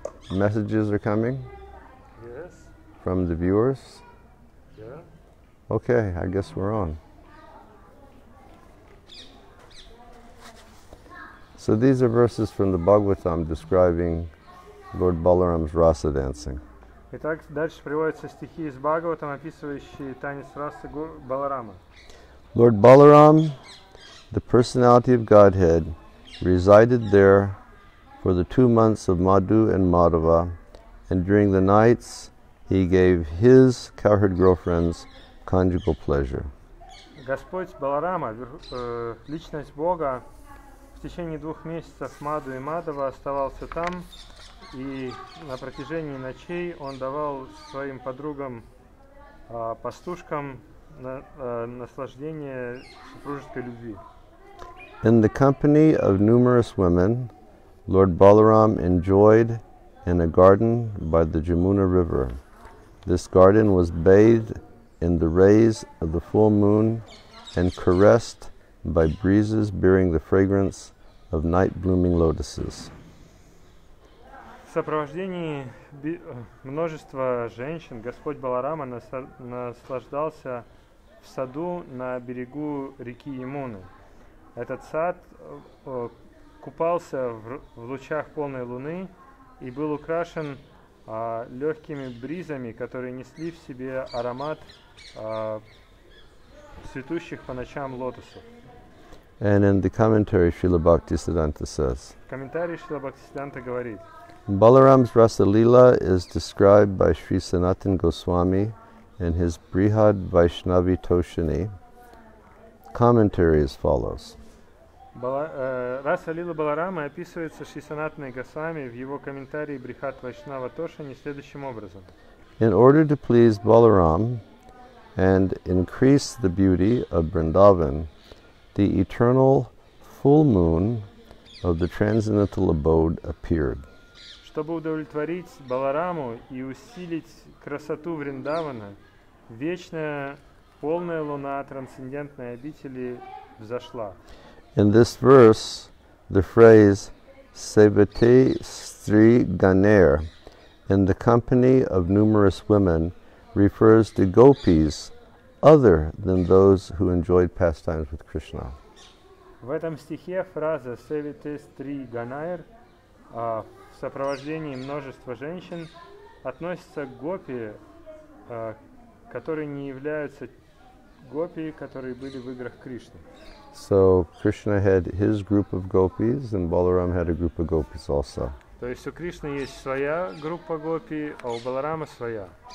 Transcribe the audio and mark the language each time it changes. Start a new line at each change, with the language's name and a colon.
English: Messages are coming? From the viewers? Yeah. Okay, I guess we're on. So these are verses from the Bhagavatam describing Lord Balaram's rasa dancing.
Russian: Итак, дальше приводятся стихи из Бхагаватам, описывающие танец расы Баларама.
English: Lord Balaram, the personality of Godhead, resided there for the 2 months of Madhu and Madhava, and during the nights he gave his cowherd girlfriends conjugal pleasure.
Russian: Господь Баларама, личность Бога, в течение 2 месяцев Маду и Мадава оставался там, и на протяжении ночей он давал своим подругам, пастушкам, наслаждение супружеской любви.
English: In the company of numerous women, Lord Balaram enjoyed in a garden by the Jamuna River. This garden was bathed in the rays of the full moon and caressed by breezes bearing the fragrance of night-blooming lotuses.
Russian: В сопровождении множества женщин Господь Баларама наслаждался в саду на берегу реки Ямуны. Этот сад купался в лучах полной луны и был украшен легкими бризами, которые несли в себе аромат цветущих по ночам лотосов.
English: And in the commentary, Srila Bhaktisiddhanta says,
Russian: в комментарии Шрила Бхактисиддханта говорит,
English: Balaram's Rasalila is described by Sri Sanatan Goswami in his Brihad Vaishnavi Toshini. Commentary as follows.
Russian: Расалила Баларама описывается Шри Санатаной Госвами в его комментарии Брихат Вайшнава Тошани следующим образом.
English: In order to please Balaram and increase the beauty of Vrindavan, the eternal full moon of the transcendental abode appeared.
Russian: Чтобы удовлетворить Балараму и усилить красоту Вриндавана, вечная полная луна трансцендентной обители взошла.
English: In this verse, the phrase Sevate Stri Ganer, in the company of numerous women, refers to gopis other than those who enjoyed pastimes with Krishna.
Russian: В этом стихе фраза Sevate Stri Ganer в сопровождении множества женщин относится к гопи, которые не являются гопи, которые были в играх Кришны.
English: So Krishna had his group of gopis and Balaram had a group of gopis also.
Russian: То есть у Кришны есть своя группа гопи, а у Баларама своя.